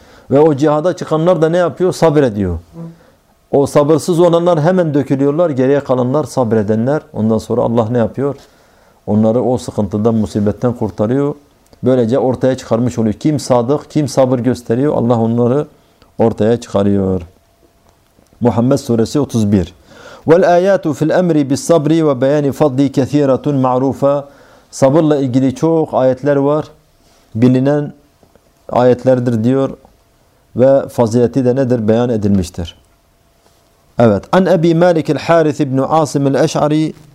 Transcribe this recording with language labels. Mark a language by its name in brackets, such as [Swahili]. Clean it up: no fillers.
[Turkish] Ve o cihada çıkanlar da ne yapıyor? Sabrediyor. O sabırsız olanlar hemen dökülüyorlar. Geriye kalanlar sabredenler. Ondan sonra Allah ne yapıyor? Onları o sıkıntıdan, musibetten kurtarıyor. Böylece ortaya çıkarmış oluyor. Kim sadık, kim sabır gösteriyor? Allah onları ortaya çıkarıyor. Muhammed Suresi 31. [Arabic] وَالْآيَاتُ فِي الْأَمْرِ بِالصَّبْرِ وَبَيَانِ فَضْلِ كَثِيرَةٌ مَعْرُوفَ [Turkish] sabırla ilgili çok ayetler var. Bilinen ayetlerdir diyor. Ve fazileti de nedir? Beyan edilmiştir. Evet. عَنْ أَبِي مَالِكِ الْحَارِثِ بْنُ عَاصِمِ الْأَشْعَرِ